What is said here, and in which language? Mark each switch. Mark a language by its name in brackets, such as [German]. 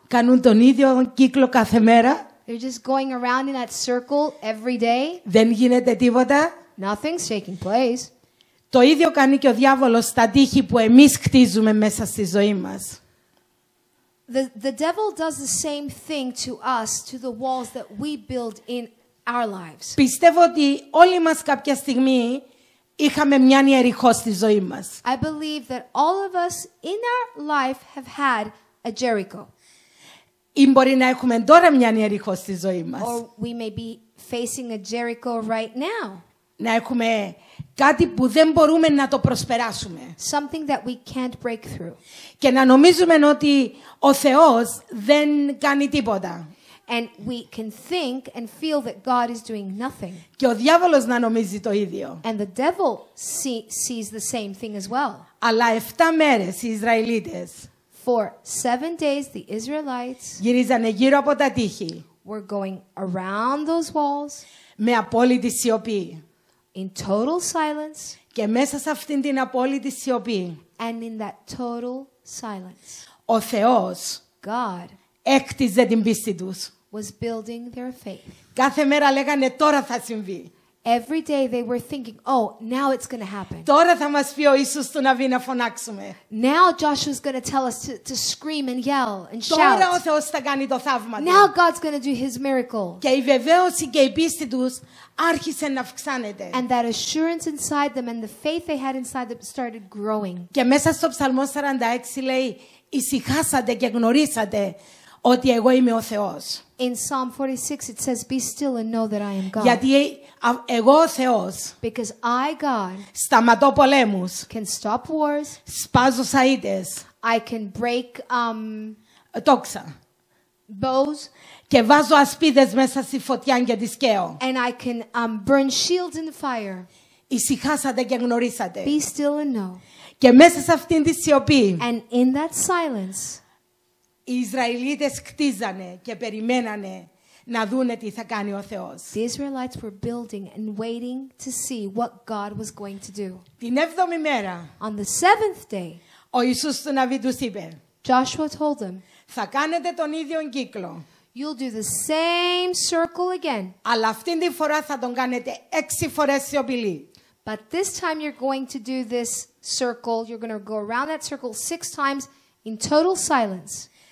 [Greek] Κάνουν τον ίδιο κύκλο κάθε μέρα. [English] They're just going around in that circle every day. [Greek] Δεν γίνεται τίποτα. [English] Nothing's taking place. [Greek] Το ίδιο κάνει και ο διάβολος στα τείχη που εμείς χτίζουμε μέσα στη ζωή μας. [English] The devil does the same thing to us, to the walls that we build in our lives. [Greek] Πιστεύω ότι όλοι μας κάποια στιγμή είχαμε μια Ιεριχώ στη ζωή μας. [English] I believe that all of us in our life have had a Jericho. [Greek] Ή μπορεί να έχουμε τώρα μια Ιεριχώ στη ζωή μας. [English] Or we may be facing a Jericho right now. [Greek] Να έχουμε κάτι που δεν μπορούμε να το προσπεράσουμε. [English] Something that we can't break through. [Greek] Και να νομίζουμε ότι ο Θεός δεν κάνει τίποτα. [English] And we can think and feel that God is doing nothing. [Greek] Και ο διάβολος να νομίζει το ίδιο. [English] And the devil sees the same thing as well. [Greek] Αλλά 7 μέρες οι Ισραηλίτες. [English] For 7 days the Israelites. [Greek] Γυρίζανε γύρω από τα τείχη. [English] Were going around those walls. [Greek] Με απόλυτη σιωπή. [English] In total silence. [Greek] Και μέσα σε αυτήν την απόλυτη σιωπή. [English] And in that total silence. [Greek] Ο Θεός. [English] God. [Greek] Έκτιζε την πίστη τους. [English] was building their faith. [Greek] Κάθε μέρα λέγανε τώρα θα συμβεί. [English] Every day they were thinking, oh, now it's going to happen. [Greek] Τώρα θα μας πει ο Ιησούς του να βγει να φωνάξουμε. [English] Now Joshua's going to tell us to scream and yell and [Greek] τώρα [English] shout. [Greek] Τώρα ο Θεός θα κάνει το θαύμα. [English] Now God's going to do his miracle. [Greek] Και η βεβαίωση και η πίστη τους άρχισε να αυξάνεται. [English] And that assurance inside them and the faith they had inside them started growing. [Greek] Και μέσα στο Ψαλμό 46 λέει, ησυχάσατε και γνωρίσατε ότι εγώ είμαι ο Θεός. [English] In Psalm 46 it says, be still and know that I am God. [Greek] Γιατί εγώ ο Θεός, [English] because I, God, [Greek] σταματώ πολέμους, [English] can stop wars, [Greek] σπάζω σαΐτες, [English] I can break [Greek] τόξα, [English] bows, [Greek] και βάζω ασπίδες μέσα στη φωτιά και τις καίω. [English] And I can burn shields in the fire. [Greek] Ησυχάσατε και γνωρίσατε. [English] Be still and know. [Greek] Και μέσα σε αυτήν τη σιωπή, [English] and in that silence, [Greek] οι Ισραηλίτες κτίζανε και περιμένανε να δούνε τι θα κάνει ο Θεός. [English] The Israelites were building and waiting to see what God was going to do. [Greek] Την έβδομη μέρα, [English] on the seventh day, [Greek] ο Ιησούς του Ναβί τους είπε, [English] Joshua told them, [Greek] θα κάνετε τον ίδιο κύκλο, [English] you'll do the same circle again, [Greek] αλλά αυτήν την φορά θα τον κάνετε 6 φορές σιωπηλή. [English] But this time you're going to do this circle, you're going to go around that circle 6 times in total silence.